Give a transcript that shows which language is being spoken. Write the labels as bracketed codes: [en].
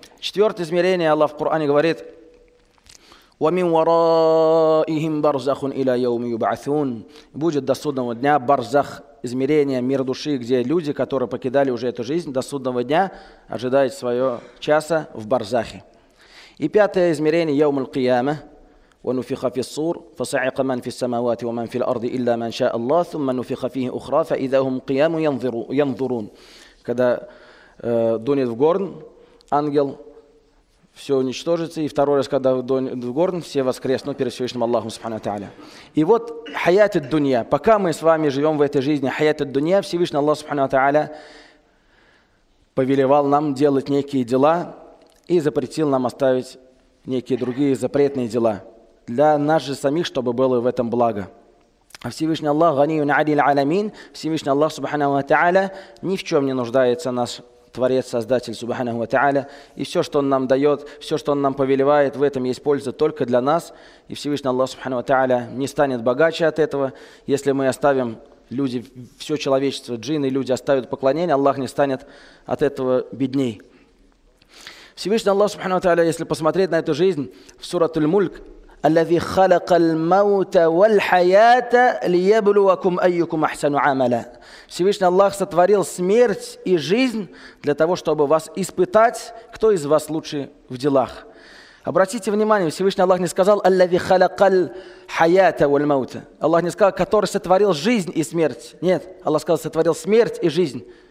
[ru] Четвертое измерение, Аллах в Коране говорит: [ar] «Вамин вараихим барзахун иля яуми юбаасун». [ru] Будет до судного дня барзах, измерение, мир души, где люди, которые покидали уже эту жизнь, до судного дня ожидают своего часа в барзахе. И пятое измерение, яум аль-кияма. [ar] ونفخ في الصور فصعق من في السماوات ومن في الأرض إلا من شاء الله ثم نفخ فيه أخرى فإذا هم قيام ينظرون. [ru] Когда дунет в горн, ангел, все уничтожится, и второй раз, когда дунет в горн, все воскреснут перед Всевышним Аллахом Субхану Тааля. И вот хаят ад-дунья, пока мы с вами живем в этой жизни, хаят ад-дунья, Всевышний Аллах Субхану Тааля повелевал нам делать некие дела и запретил нам оставить некие другие запретные дела. Для нас же самих, чтобы было в этом благо. А Всевышний Аллах, [ar] ганиюн алил аламин, [ru] Всевышний Аллах, субханаху ва тааля, ни в чем не нуждается наш Творец, Создатель, субханаху ва тааля. И все, что Он нам дает, все, что Он нам повелевает, в этом есть польза только для нас. И Всевышний Аллах, субханаху ва тааля, не станет богаче от этого. Если мы оставим люди, все человечество, джинны, люди оставят поклонение, Аллах не станет от этого бедней. Всевышний Аллах, субханаху ва тааля, если посмотреть на эту жизнь, в сурат Аль-Мульк, [ar] الذي خلق الموت والحياة ليبلوكم أيكم أحسن عملا. [ru] Всевышний Аллах сотворил смерть и жизнь для того, чтобы вас испытать, кто из вас лучше в делах. Обратите внимание, Всевышний Аллах не сказал [ar] «Аллави халякал хаята валь маута». [ru] Аллах не сказал, который сотворил жизнь и смерть. Нет, Аллах сказал, сотворил смерть и жизнь.